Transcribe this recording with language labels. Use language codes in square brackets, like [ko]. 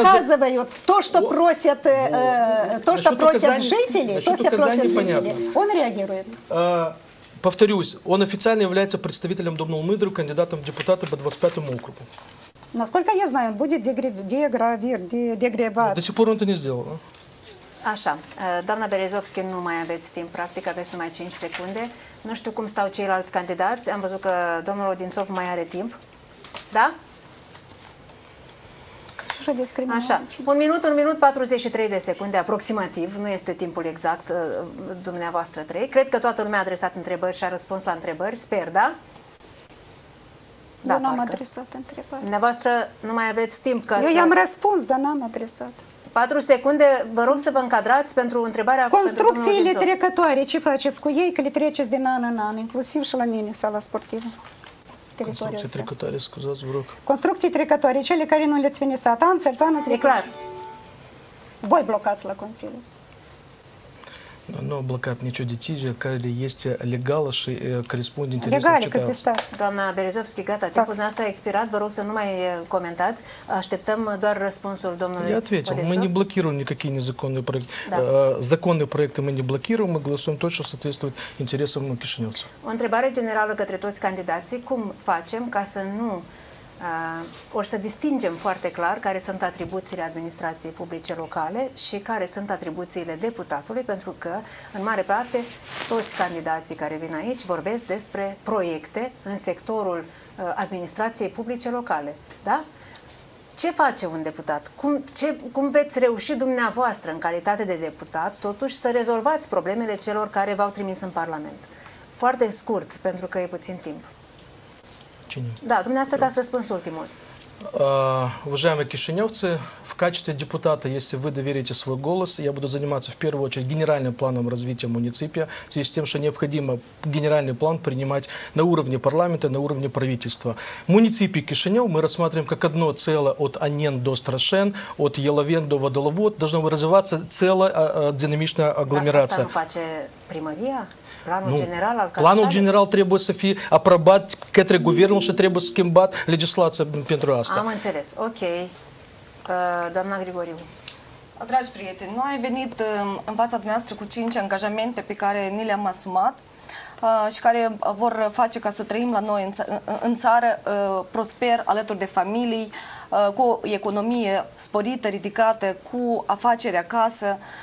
[ru] Ему указывают то, что просят, то, что просят жители, то, что просят жители. Он реагирует. Повторюсь, он официально является представителем Домнул Мындру, кандидатом в депутаты по 25-му округу. Насколько я знаю, он будет до сих пор он это не сделал. [ro] Așa, doamna Berezovski, nu mai aveți timp, practic aveți numai 5 secunde. Nu știu cum stau ceilalți candidați, am văzut că domnul Odințov mai are timp. Da? Așa, un minut 43 de secunde aproximativ, nu este timpul exact dumneavoastră trei. Cred că toată lumea a adresat întrebări și a răspuns la întrebări, sper, da? Da, nu am adresat întrebări. Dumneavoastră nu mai aveți timp. Eu i-am răspuns, dar n-am adresat. 4 secunde, vă rog să vă încadrați pentru întrebarea... Construcțiile trecătoare, ce faceți cu ei? Că le treceți din an în an, inclusiv și la mine, sala sportivă. Construcții trecătoare, scuzați, vă rog. Construcții trecătoare, cele care nu le-ți finisat, a înțeles anul trecut. E clar. Voi blocați la Consiliu. Nu, nu a blocat nicio decizie care este legală și corespunde interesul citaiului. Doamna Berezovski, gata, timpul nostru a expirat, vă rog să nu mai comentați, așteptăm doar răspunsul domnului. [ru] Я ответил, мы не блокируем никакие незаконные проекты. Да. Законные проекты мы не блокируем, мы голосуем то, что соответствует интересам кишиневцев. [ro] O întrebare generală către toți candidații, cum facem ca să nu... Or să distingem foarte clar care sunt atribuțiile administrației publice locale și care sunt atribuțiile deputatului, pentru că, în mare parte, toți candidații care vin aici vorbesc despre proiecte în sectorul administrației publice locale. Da? Ce face un deputat? Cum veți reuși dumneavoastră, în calitate de deputat, totuși să rezolvați problemele celor care v-au trimis în Parlament? Foarte scurt, pentru că e puțin timp. Cine? Da, dumneavoastră că ați răspuns ultimul. [ru] Уважаемые кишиневцы, в качестве депутата, если вы доверите свой голос, я буду заниматься в первую очередь генеральным планом развития муниципия, в связи с тем, что необходимо генеральный план принимать на уровне парламента, на уровне правительства. Муниципий Кишинев мы рассматриваем как одно целое от Анен до Страшен, от Еловен до Водоловод. Должна развиваться целая динамичная агломерация. Так, что делает примария? [ro] Планул генерал требуя Софи, а пробат кетре гувернул, что требуя скимбат, легислация пентру аста. Am înțeles. Ok. Doamna Grigoriu. Dragi prieteni, noi am venit în fața dumneavoastră cu 5 angajamente pe care ni le-am asumat și care vor face ca să trăim la noi în țară prosper, alături de familii, cu o economie sporită, ridicată, cu afaceri acasă.